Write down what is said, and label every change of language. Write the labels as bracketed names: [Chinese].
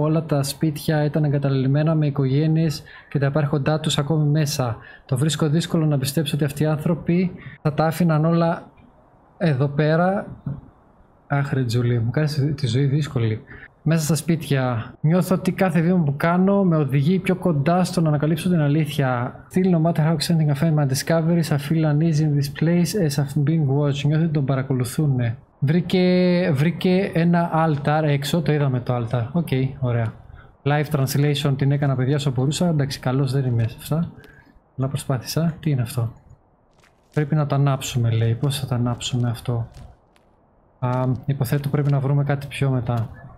[Greek] Όλα τα σπίτια ήταν εγκαταλελειμμένα με οικογένειες και τα υπάρχοντά τους ακόμη μέσα. Το βρίσκω δύσκολο να πιστέψω ότι αυτοί οι άνθρωποι θα τα άφηναν όλα εδώ πέρα. Αχ ρε Τζούλη, μου κάνεις τη ζωή δύσκολη. Μέσα στα σπίτια νιώθω ότι κάθε βήμα που κάνω με οδηγεί πιο κοντά στο να ανακαλύψω την αλήθεια. [English] Still no matter how exciting I find my discoveries, I feel uneasy in this place as I've been watched. [Greek] Νιώθω ότι τον παρακολουθούν. Βρήκε ένα altar έξω, το είδαμε το altar. Okay, ωραία. Live translation την έκανα παιδιά όσο μπορούσα. Εντάξει, καλώς δεν είμαι σε αυτά. Αλλά προσπάθησα. Τι είναι αυτό? Πρέπει να το ανάψουμε, λέει. Πώς θα το ανάψουμε αυτό? Υποθέτω πρέπει να βρούμε κάτι πιο μετά.